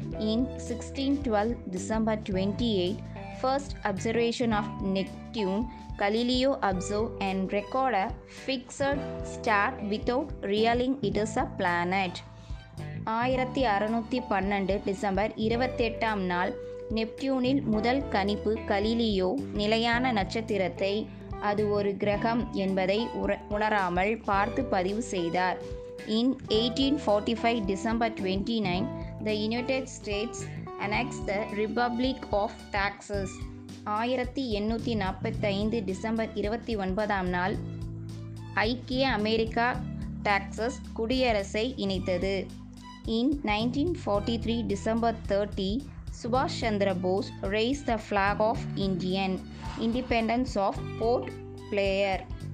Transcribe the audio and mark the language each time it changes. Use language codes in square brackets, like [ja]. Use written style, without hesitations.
[en] In 1612, December 28, first observation of Neptune, Galileo observed and recorded a fixed star without realizing it is a planet. [ta] 1612, December 28, நாள் நெப்டியூனில் முதல் கணிப்பு Galileo நிலையான நட்சத்திரத்தை அது ஒரு கிரகம் என்பதை உணராமல் பார்த்து பதிவு செய்தார். [en] In 1845, December 29, The United States annexed the Republic of Texas. [ta] 1845 December 29th நாள் ஐக்கிய அமெரிக்கா டெக்சஸ் குடியரசை இணைத்தது. [en] In 1943 December 30 சுபாஷ் Chandra Bose raise the flag of Indian independence of board player.